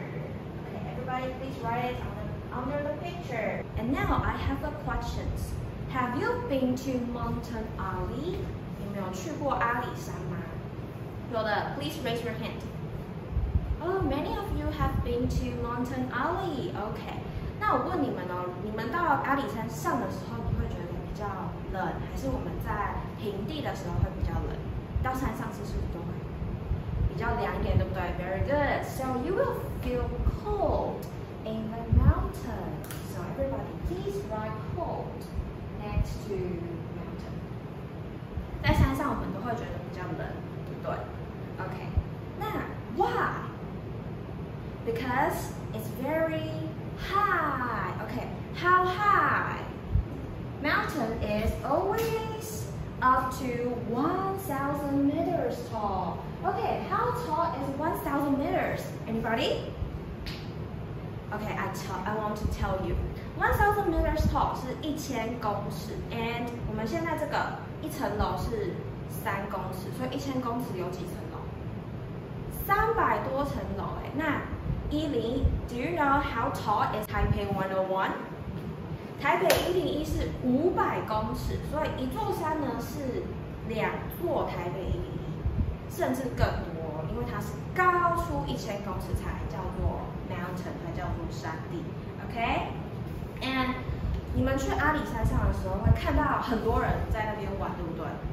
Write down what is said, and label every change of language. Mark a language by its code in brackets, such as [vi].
[en] Okay, everybody, please write it under the picture. And now I have a question. Have you been to Mountain Ali? [zh] 有没有去过阿里山吗？有的， [en] please raise your hand. Oh, many of you have been to Mountain Ali. Okay. [zh] 那我问你们哦，你们到阿里山上的时候，你会觉得比较冷，还是我们在平地的时候会比较冷？到山上是不是都会比较凉一点，对不对？ [en] Very good. So you will feel cold in the mountain. So everybody, please write cold next to mountain. [zh] 在山上我们都会觉得比较冷，对不对？ [en] Okay. 那 why? Because it's very high. Okay. How high? Mountain is always up to 1,000 meters tall. Okay, how tall is 1,000 meters? Anybody? Okay, I want to tell you. 1,000 meters tall [zh] 是1000公尺 and 我们现在这个一层楼是3公尺所以1000公尺有几层楼？ 300多层楼诶。 [en] 那伊琳 do you know how tall is Taipei 101? [zh] 台北101是500公尺，所以一座山呢是2座台北101，甚至更多，因为它是高出1000公尺才叫做 mountain， 才叫做山地。 OK， and 你们去阿里山上的时候会看到很多人在那边玩，对不对？